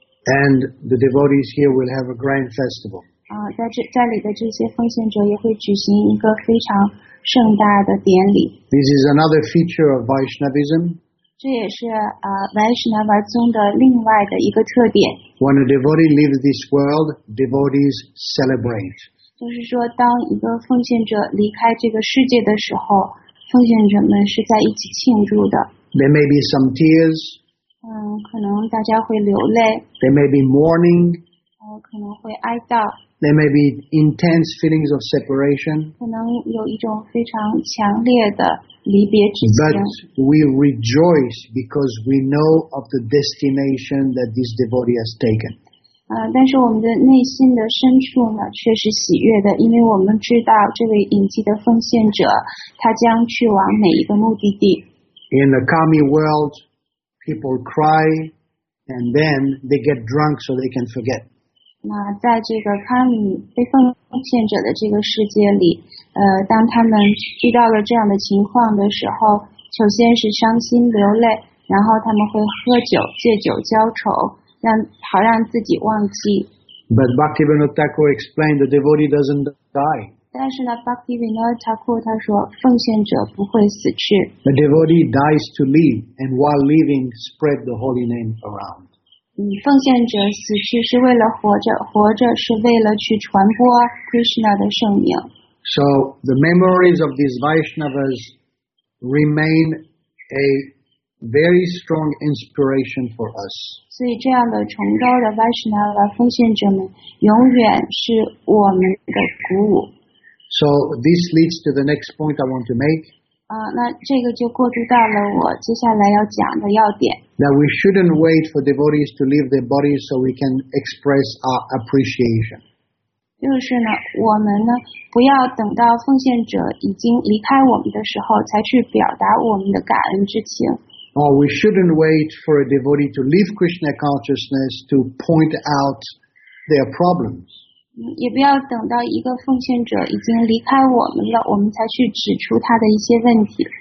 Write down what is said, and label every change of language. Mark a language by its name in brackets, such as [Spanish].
[English] And the devotees here will have a grand festival. [Chinese] 在里的这些奉献者也会举行一个非常盛大的典礼。 [English] This is another feature of Vaishnavism. [Chinese] 这也是Vaishnava 宗的另外的一个特点。 [English] When a devotee leaves this world, devotees celebrate. [Chinese] 就是说当一个奉献者离开这个世界的时候，奉献者们是在一起庆祝的。 [English] There may be some tears. [Chinese] 可能大家会流泪。 [English] There may be mourning. [Chinese] 可能会哀悼。 [English] There may be intense feelings of separation. [Chinese] 可能有一种非常强烈的离别之情。 [English] But we rejoice because we know of the destination that this devotee has taken. [Chinese] 但是我们的内心的深处呢，却是喜悦的，因为我们知道这位隐寂的奉献者，他将去往哪一个目的地。 [English] In the kami world, people cry, and then they get drunk so they can forget. [Chinese] 那在这个 kami 被奉献者的这个世界里，当他们遇到了这样的情况的时候，首先是伤心流泪，然后他们会喝酒、借酒浇愁，好让自己忘记。 [English] But Bhaktivinoda Thakur explained the devotee doesn't die. [Chinese] 但是呢 ，Bhaktivinoda Thakur 他说，奉献者不会死去。 [English] The devotee dies to leave, and while leaving, spread the holy name around. [Chinese] 奉献者死去是为了活着，活着是为了去传播 Krishna 的圣名。 [English] So the memories of these Vaishnavas remain a very strong inspiration for us. [Chinese] 所以这样的崇高的 Vaishnava 奉献者们，永远是我们的鼓舞。 [English] So this leads to the next point I want to make. [Chinese] 那这个就过渡到了我接下来要讲的要点。 [English] That we shouldn't wait for devotees to leave their bodies so we can express our appreciation. [Chinese] 就是呢，我们呢不要等到奉献者已经离开我们的时候才去表达我们的感恩之情。 [English] Or we shouldn't wait for a devotee to leave Krishna consciousness to point out their problems. [Chinese] 也不要等到一个奉献者已经离开我们了，我们才去指出他的一些问题。